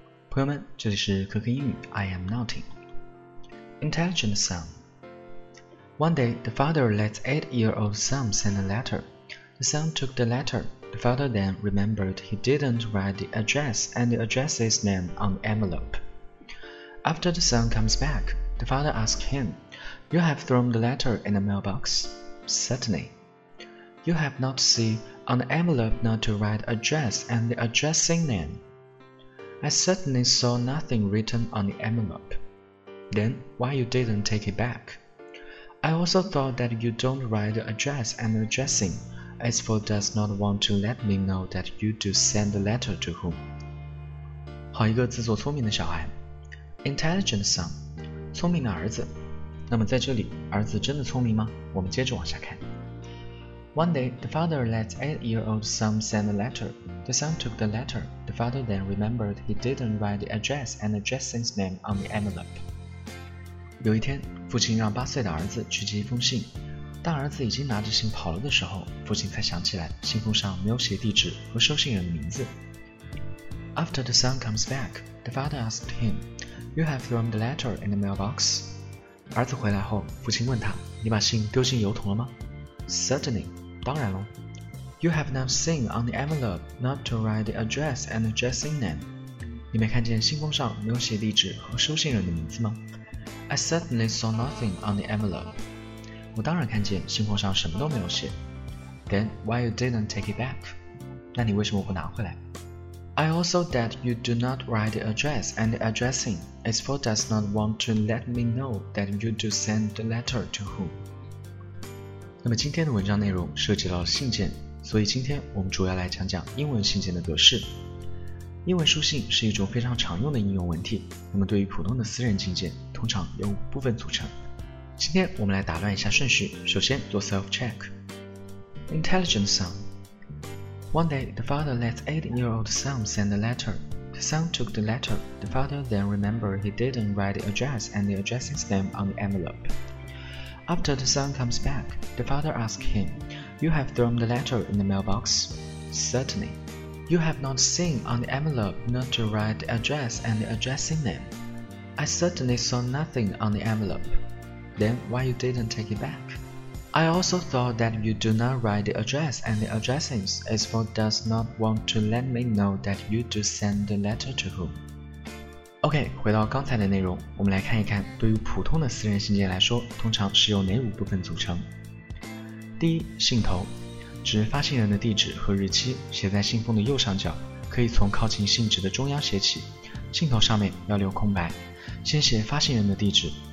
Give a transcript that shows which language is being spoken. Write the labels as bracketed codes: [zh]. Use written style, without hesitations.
[zh] 朋友们，这里是可可英语 [en] I am Nothing Intelligent Sam. One day, the father let 8-year-old Sam send a letter. The son took the letter. The father then remembered he didn't write the address and the address's name on the envelope. After the son comes back, the father asks him, You have thrown the letter in the mailbox? Certainly. You have not seen on the envelope not to write address and the addressing name? I certainly saw nothing written on the envelope. Then why you didn't take it back? I also thought that you don't write the address and the addressing, as for does not want to let me know that you do send the letter to whom. [zh] 好一个自作聪明的小孩。 [en] Intelligent son, [zh] 聪明的儿子。那么在这里，儿子真的聪明吗？我们接着往下看。 [en] One day, the father let 8-year-old son send a letter. The son took the letter. The father then remembered he didn't write the address and the addressing's name on the envelope. [zh] 有一天，父亲让八岁的儿子去寄一封信。当儿子已经拿着信跑了的时候，父亲才想起来信封上没有写地址和收信人的名字。 [en] After the son comes back, the father asked him, You have thrown the letter in the mailbox? [zh] 儿子回来后，父亲问他，你把信丢进邮筒了吗？ [en] Certainly, [zh] 当然了。 [en] You have not seen on the envelope not to write the address and the addressing name. [zh] 你没看见信封上没有写地址和收信人的名字吗？ [en] I certainly saw nothing on the envelope. [zh] 我当然看见信封上什么都没有写。 [en] Then why you didn't take it back? [zh] 那你为什么不拿回来？ [en] I also that you do not write the address and the addressing, as for does not want to let me know that you do send the letter to whom. [zh] 那么今天的文章内容涉及到了信件，所以今天我们主要来讲讲英文信件的格式。英文书信是一种非常常用的应用文体，那么对于普通的私人信件，通常由五部分组成。今天我们来打乱一下顺序，首先做 self-check。 [en] Intelligent son. One day, the father let 8-year-old son send a letter. The son took the letter. The father then remembered he didn't write the address and the addressing's name on the envelope. After the son comes back, the father asks him, You have thrown the letter in the mailbox? Certainly. You have not seen on the envelope not to write the address and the addressing name? I certainly saw nothing on the envelope. Then why you didn't take it back? I also thought that you do not write the address and the addressings, as for does not want to let me know that you do send the letter to whom. [zh] OK, 回到刚才的内容，我们来看一看对于普通的私人信件来说，通常是由哪五部分组成。第一，信头，指发信人的地址和日期写在信封的右上角，可以从靠近信纸的中央写起，信头上面要留空白，先写发信人的地址。